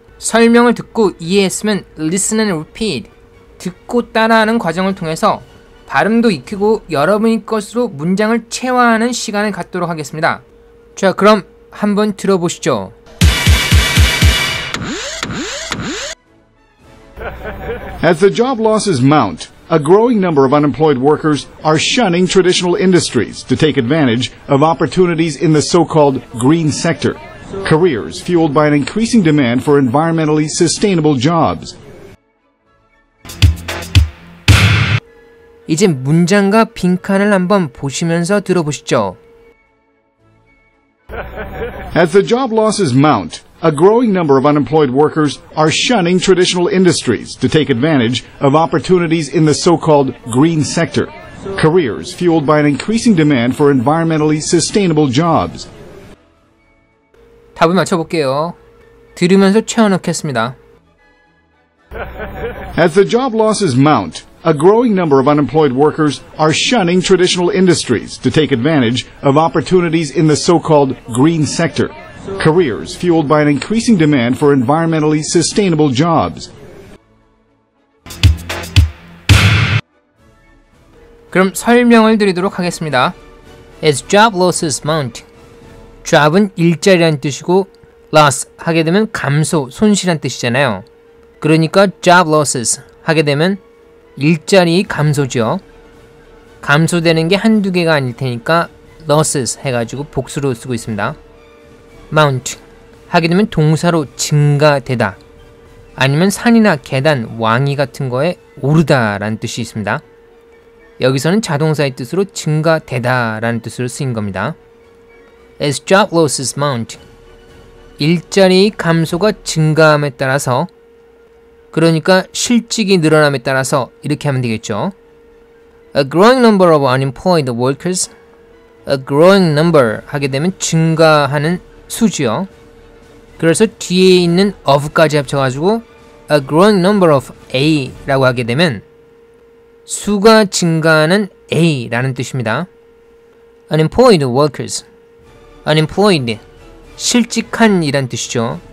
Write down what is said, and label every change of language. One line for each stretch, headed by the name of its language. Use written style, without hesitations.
Korean: 설명을 듣고 이해했으면
English: listen and repeat,
Korean: 듣고 따라하는 과정을 통해서 발음도 익히고 여러분의 것으로 문장을 체화하는 시간을 갖도록 하겠습니다. 자, 그럼 한번 들어보시죠.
English: As the job losses mount, a growing number of unemployed workers are shunning traditional industries to take advantage of opportunities in the so-called green sector, careers fueled by an increasing demand for environmentally sustainable jobs.
Korean: 이제 문장과 빈칸을 한번 보시면서 들어보시죠.
English: As the job losses mount, a growing number of unemployed workers are shunning traditional industries to take advantage of opportunities in the so-called green sector, careers fueled by an increasing demand for environmentally sustainable jobs.
Korean: 답을 맞춰볼게요. 들으면서 채워넣겠습니다.
English: As the job losses mount, a growing number of unemployed workers are shunning traditional industries to take advantage of opportunities in the so-called green sector, careers fueled by an increasing demand for environmentally sustainable jobs.
Korean: 그럼 설명을 드리도록 하겠습니다.
English: As job losses mount,
Korean: job은 일자리란 뜻이고 loss 하게 되면 감소, 손실한 뜻이잖아요. 그러니까 job losses 하게 되면 일자리의 감소죠. 감소되는 게 한두 개가 아닐 테니까 losses 해가지고 복수로 쓰고 있습니다. mount 하게 되면 동사로 증가되다 아니면 산이나 계단, 왕위 같은 거에 오르다 라는 뜻이 있습니다. 여기서는 자동사의 뜻으로 증가되다 라는 뜻으로 쓰인 겁니다.
English: As job losses mount,
Korean: 일자리의 감소가 증가함에 따라서, 그러니까 실직이 늘어남에 따라서 이렇게 하면 되겠죠.
English: A growing number of unemployed workers, a growing number
Korean: 하게 되면 증가하는 수지요. 그래서 뒤에 있는 of까지 합쳐가지고
English: a growing number of a
Korean: 라고 하게 되면 수가 증가하는 a라는 뜻입니다.
English: Unemployed workers,
Korean: unemployed 실직한 이란 뜻이죠.